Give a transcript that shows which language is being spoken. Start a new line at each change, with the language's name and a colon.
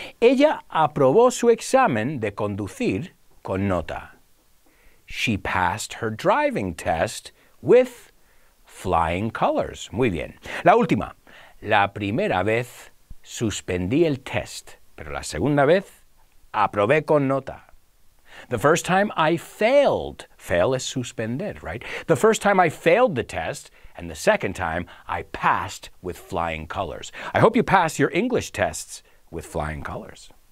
Spanish: Ella aprobó su examen de conducir con nota.
English: She passed her driving test with flying colors.
Spanish: Muy bien. La última. La primera vez suspendí el test, pero la segunda vez aprobé con nota.
English: The first time I failed. Fail is suspended, right? The first time I failed the test, and the second time I passed with flying colors. I hope you pass your English tests with flying colors.